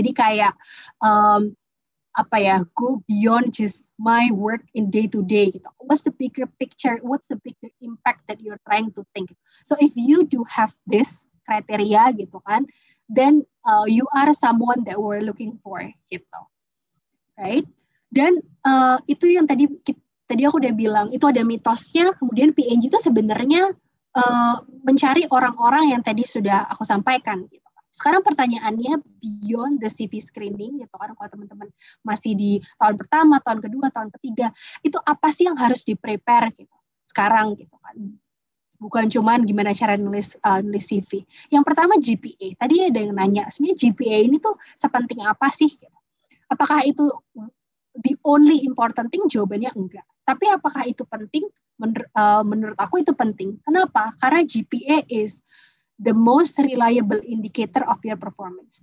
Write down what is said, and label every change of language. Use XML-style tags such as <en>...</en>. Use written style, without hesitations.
<id>Jadi kayak</id> <en>go beyond just my work in day to day. What's the bigger picture? What's the bigger impact that you're trying to think? So if you do have this</en> <id>kriteria gitu kan,</id> <en>then you are someone that we're looking for</en> <id>gitu,</id> <en>right?</en> <id>Dan itu yang tadi aku udah bilang, itu ada mitosnya, kemudian PNG itu sebenarnya mencari orang-orang yang tadi sudah aku sampaikan gitu. Sekarang pertanyaannya</id> <en>beyond the CV screening</en> <id>gitu kan, kalau teman-teman masih di tahun pertama, tahun kedua, tahun ketiga, itu apa sih yang harus di-prepare gitu, sekarang gitu kan. Bukan cuman gimana cara nulis CV. Yang pertama GPA. Tadi ada yang nanya, sebenarnya GPA ini tuh sepenting apa sih? Apakah itu</id> <en>the only important thing?</en> <id>Jawabannya enggak. Tapi apakah itu penting? Menurut aku itu penting. Kenapa? Karena</id> <en>GPA is the most reliable indicator of your performance.</en>